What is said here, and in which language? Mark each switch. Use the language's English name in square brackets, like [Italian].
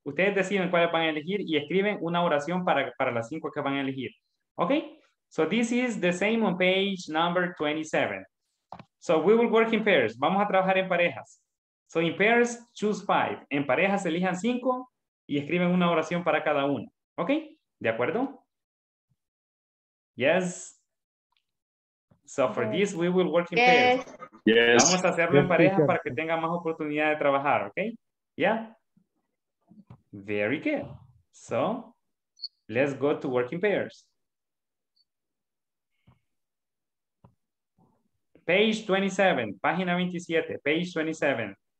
[Spanish] Ustedes deciden cuál van a elegir y escriben una oración para las 5 que van a elegir, okay? [English] So this is the same on page number 27. So we will work in pairs. [Spanish] Vamos a trabajar en parejas. [English] So in pairs, choose 5. [Spanish] En parejas, elijan 5 y escriben una oración para cada uno. ¿Ok? ¿De acuerdo? Yes. [English] So for this, we will work in pairs. Yes. [Spanish] Vamos a hacerlo en pareja para que tengan más oportunidad de trabajar. [English] ¿Ok? Yeah. Very good. So let's go to work in pairs. Page 27, [Spanish] página 27, [English] page 27.